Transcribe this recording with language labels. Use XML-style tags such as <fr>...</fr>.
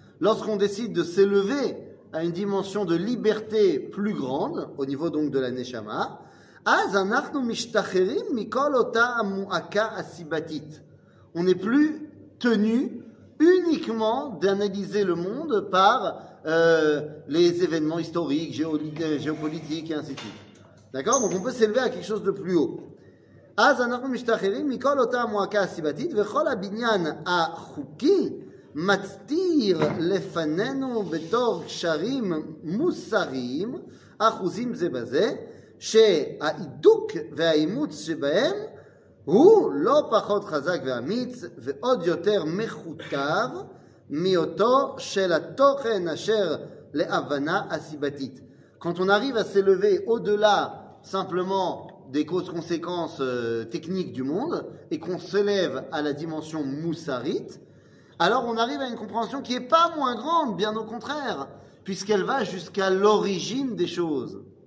<fr>Lorsqu'on décide de s'élever à une dimension de liberté plus grande, au niveau donc de la neshama,</fr> <he>az anachnu mishtacherim mikol ota mu'aka asibatit.</he> <fr>On n'est plus tenu uniquement d'analyser le monde par les événements historiques, géopolitiques et ainsi de suite. D'accord ? Donc on peut s'élever à quelque chose de plus haut.</fr> <he>אז אנחנו משתחררים מכל אותה המועקה הסיבתית וכל הבניין החוקי מצטיר לפנינו בתור קשרים מוסריים אחוזים זה בזה שהעידוק והאימוץ שבהם הוא לא פחות חזק ואמיץ ועוד יותר מחותב מאותו של התוכן אשר להבנה הסיבתית.</he> <fr>Quand on arrive à s'élever au-delà simplement des causes-conséquences techniques du monde et qu'on s'élève à la dimension moussarite, alors on arrive à une compréhension qui n'est pas moins grande, bien au contraire, puisqu'elle va jusqu'à l'origine des choses.</fr>